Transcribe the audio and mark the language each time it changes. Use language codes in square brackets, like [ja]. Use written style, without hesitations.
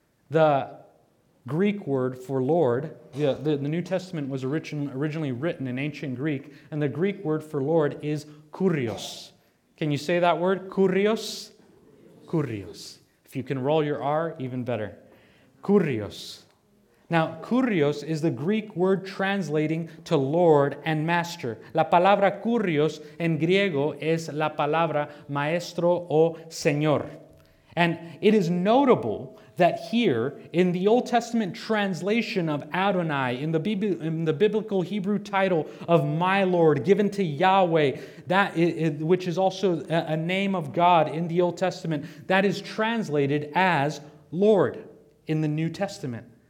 [en] The Greek word for Lord, the New Testament was originally written in ancient Greek, and the Greek word for Lord is kurios. Can you say that word? Kurios? Kurios. If you can roll your R, even better. Kurios. Now, kurios is the Greek word translating to Lord and Master. [es] La palabra kurios en griego es la palabra maestro o señor. [en] And it is notable that here, in the Old Testament translation of Adonai, in the biblical Hebrew title of my Lord, given to Yahweh, that is, which is also a name of God in the Old Testament, that is translated as Lord in the New Testament.